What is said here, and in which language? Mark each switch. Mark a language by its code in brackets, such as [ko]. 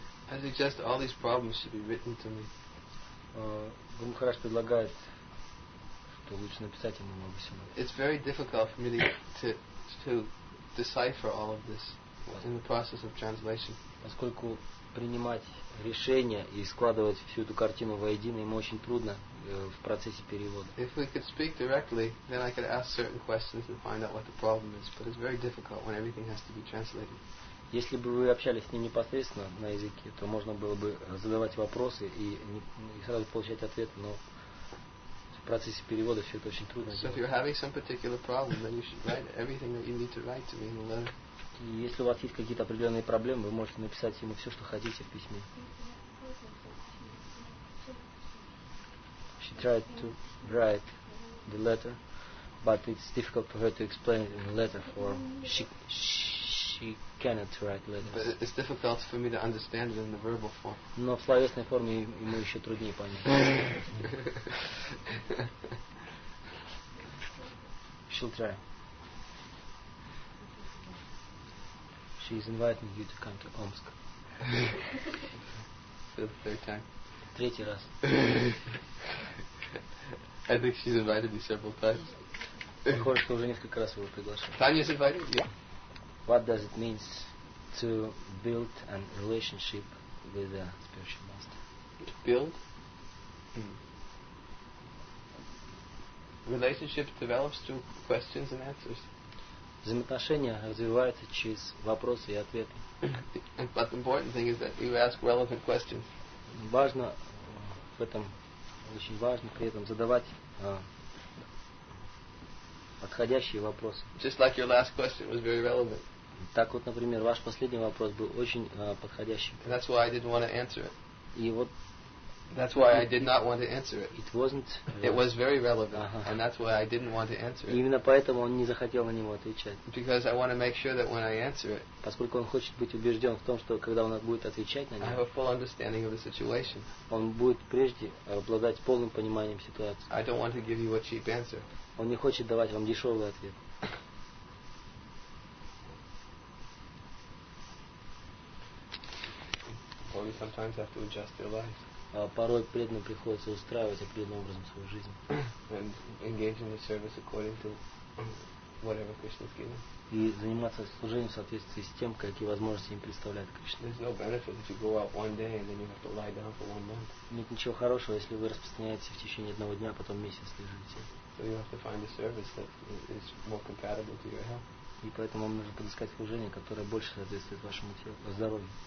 [en] I suggest all these problems should be written to me. [ru] Гуру Махарадж предлагает, что лучше написать ему об этом. [en] It's very difficult for me to decipher all of this in the process of translation. [ru] Поскольку принимать решения и складывать всю эту картину воедино ему очень трудно в процессе перевода. [en] If we could speak directly, then I could ask certain questions and find out what the problem is. But it's very difficult when everything has to be translated. [ru] Если бы вы общались с ним непосредственно на языке, то можно было бы задавать вопросы и сразу получать ответ. Но в процессе перевода все это очень трудно. [en] So if you're having some particular problem, then you should write everything that you need to write to me in a letter. [ru] И если у вас есть какие-то определенные проблемы, вы можете написать ему все, что хотите в письме. [en] She tried to write the letter, but it's difficult for her to explain it in the letter form. She cannot write letters. But it's difficult for me to understand it in the verbal form. [ru] Но в словесной форме ему еще труднее понять. [en] She'll try. She is inviting you to come to Omsk. For the third time. [ru] Третий раз. [en] I think she's invited me several times. [ru] Похоже, что уже несколько раз его приглашали. [en] Tanya's invited you. What does it mean to build a relationship with a spiritual master? To build? Relationship develops through questions and answers. [ru] Взаимоотношения развиваются через вопросы и ответы. [en] But the important thing is that you ask relevant questions. [ru] Важно в этом, очень важно при этом задавать подходящие вопросы. [en] Just like your last question was very relevant. [ru] Так вот, например, ваш последний вопрос был очень подходящим. [en] And that's why I didn't want to answer it. [ru] И вот. [en] That's why I did not want to answer it. It wasn't. It was very relevant, uh-huh. And that's why I didn't want to answer it. [ru] Именно поэтому он не захотел на него отвечать. [en] Because I want to make sure that when I answer it. [ru] Поскольку он хочет быть убежден в том, что когда он будет отвечать на него. [en] I have a full understanding of the situation. [ru] Он будет прежде обладать полным пониманием ситуации. [en] I don't want to give you a cheap answer. [ru] Он не хочет давать вам дешевый ответ. [en] Well, you sometimes have to adjust your life. [ru] порой преданным приходится устраивать определенным образом свою жизнь. [en] And engage in the service according to whatever Krishna's given. [ru] И заниматься служением в соответствии с тем, какие возможности им представляет Кришна. [en] There's no benefit if you go out one day and then you have to lie down for one month. [ru] Нет ничего хорошего, если вы распространяетесь в течение одного дня, а потом месяц лежите. [en] So you have to find a service that is more compatible to your health. [ru] И поэтому вам нужно подыскать служение, которое больше соответствует вашему телу, здоровью.